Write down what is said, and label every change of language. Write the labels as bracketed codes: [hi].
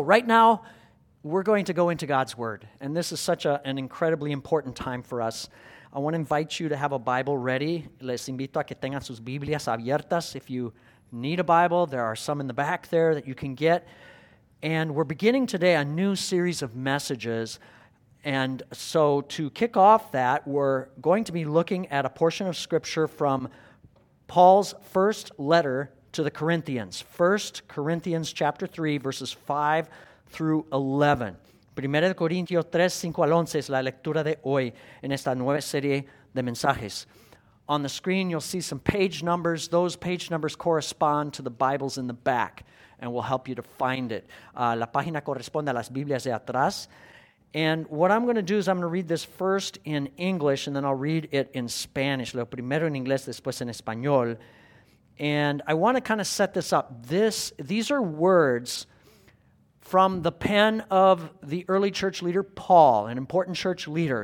[en] right now, we're going to go into God's Word, and this is such an incredibly important time for us. I want to invite you to have a Bible ready. [es] Les invito a que tengan sus Biblias abiertas. [en] If you need a Bible, there are some in the back there that you can get. And we're beginning today a new series of messages. And so to kick off that, we're going to be looking at a portion of Scripture from Paul's first letter to the Corinthians. 1 Corinthians chapter 3, verses 5 through 11. [es] 1 Corintios 3, 5 al 11 es la lectura de hoy en esta nueva serie de mensajes. [en] On the screen, you'll see some page numbers. Those page numbers correspond to the Bibles in the back and will help you to find it. [es] La página corresponde a las Biblias de atrás. [en] And what I'm going to do is I'm going to read this first in English and then I'll read it in Spanish. Lo primero en inglés, después en español. And I want to kind of set this up. These are words from the pen of the early church leader Paul, an important church leader.